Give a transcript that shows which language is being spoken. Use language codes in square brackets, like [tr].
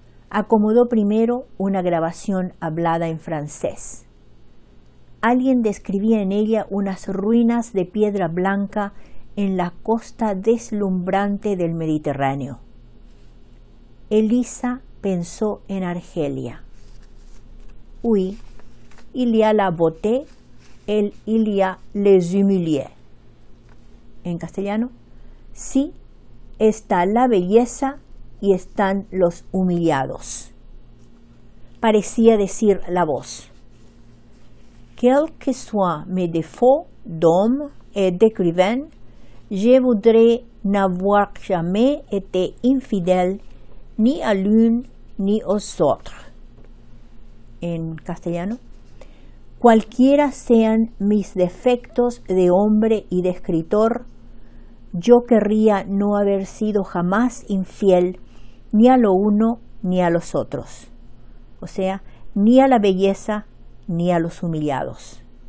[es] Acomodó primero una grabación hablada en francés. Alguien describía en ella unas ruinas de piedra blanca en la costa deslumbrante del Mediterráneo. Elisa pensó en Argelia. [fr] Oui, il y a la beauté, il y a les humiliés. [es] En castellano, sí, está la belleza y están los humillados. Parecía decir la voz. [fr] Quel que soit mes défauts d'homme et d'écrivain, je voudrais n'avoir jamais été infidèle ni à l'une ni aux autres. [es] En castellano, cualquiera sean mis defectos de hombre y de escritor, yo querría no haber sido jamás infiel ni a lo uno ni a los otros. O sea, ni a la belleza ni a los humillados.